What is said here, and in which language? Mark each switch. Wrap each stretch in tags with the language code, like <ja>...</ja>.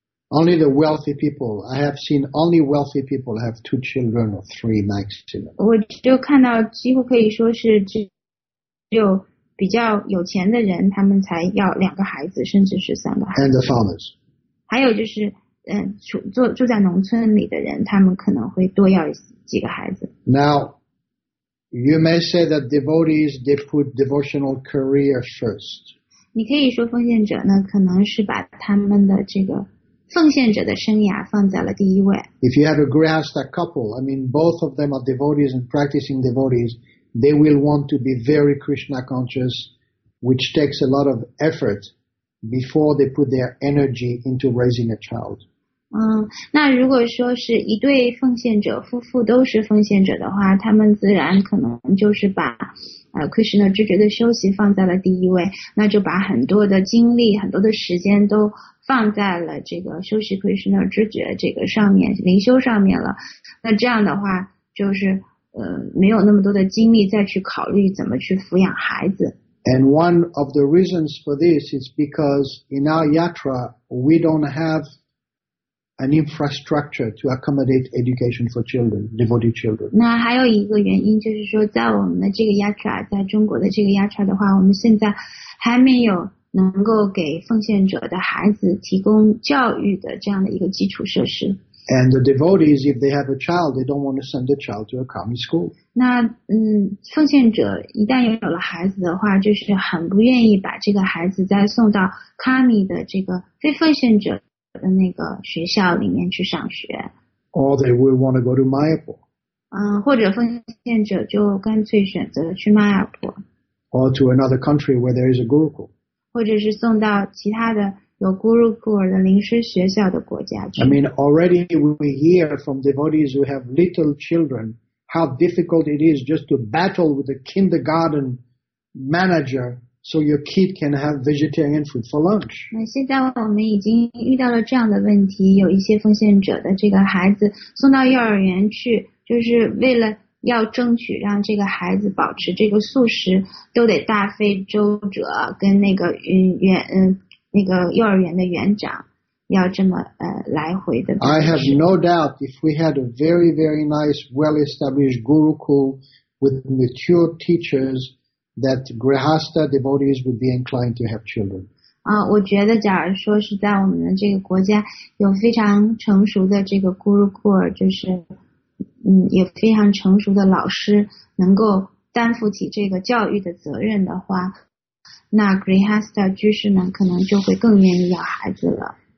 <en>Only the wealthy people, I have seen only wealthy people have two children or three maximum.</en> <zh>我就看到几乎可以说是只有比较有钱的人他们才要两个孩子甚至是三个孩子。</zh> <en>And the farmers.</en> <zh>还有就是住在农村里的人他们可能会多要几个孩子。</zh> <en>Now, you may say that devotees, they put devotional career first.</en> <zh>你可以说奉献者呢可能是把他们的这个奉献者的生涯放在了第一位。</zh> <en>If you have a grihastha couple, I mean, both of them are devotees and practicing devotees, they will want to be very Krishna conscious, which takes a lot of effort before they put their energy into raising a child.</en> <zh>那如果说是一对奉献者夫妇都是奉献者的话，他们自然可能就是把Krishna 知觉的修习放在了第一位，那就把很多的精力、很多的时间都放在了这个修习 Krishna 知觉这个上面、灵修上面了。那这样的话，就是没有那么多的精力再去考虑怎么去抚养孩子。</zh> <en>And one of the reasons for this is because in our yatra we don't have an infrastructure to accommodate education for children, devotee children.</en> <zh>那还有一个原因就是说，在我们的这个 yatra， 在中国的这个 yatra 的话，我们现在还没有能够给奉献者的孩子提供教育的这样的一个基础设施。</zh> <en>And the devotees, if they have a child, they don't want to send the child to a common school.</en> <zh>那奉献者一旦拥有了孩子的话，就是很不愿意把这个孩子再送到 kami 的这个非奉献者的那个学校里面去上学。</zh> <en>Or they will want to go to Mayapur.</en> <zh>或者奉献者就干脆选择去 Mayapur.</zh> <en>Or to another country where there is a gurukul.</en> <zh>或者是送到其他的有 gurukul 的临时学校的国家去。</zh> <en>I mean, already we hear from devotees who have little children how difficult it is just to battle with a kindergarten manager so your kid can have vegetarian food for lunch.</en> <zh>那现在我们已经遇到了这样的问题，有一些奉献者的这个孩子送到幼儿园去，就是为了要争取让这个孩子保持这个素食，都得大费周折跟那个那个幼儿园的园长要这么来回的。</zh> <en>I have no doubt if we had a very very nice well established gurukul with mature teachers that grihastha devotees would be inclined to have children.</en> <zh>我觉得假如说是在我们的这个国家有非常成熟的这个 gurukul， 就是也非常成熟的老师能够担负起这个教育的责任的话，那 Grihastha 居士们可能就会更愿意要孩子了。</zh>